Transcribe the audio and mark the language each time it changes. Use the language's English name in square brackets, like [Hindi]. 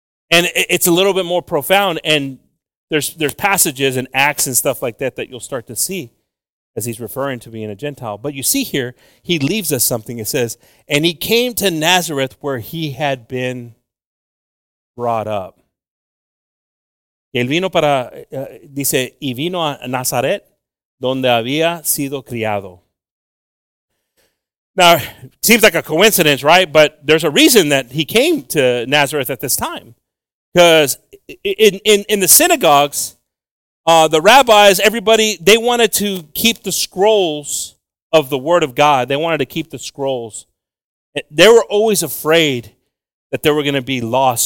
[English] And it's a little bit more profound, and there's passages and Acts and stuff like that you'll start to see as he's referring to being a Gentile. But you see here, he leaves us something. It says, and he came to Nazareth, where he had been brought up. [Spanish] El vino para, dice, y vino a Nazaret, donde había sido criado. [English] Now, it seems like a coincidence, right? But there's a reason that he came to Nazareth at this time. Because in the synagogues, the rabbis, everybody, they wanted to keep the scrolls of the Word of God. They wanted to keep the scrolls. They were always afraid that they were going to be lost.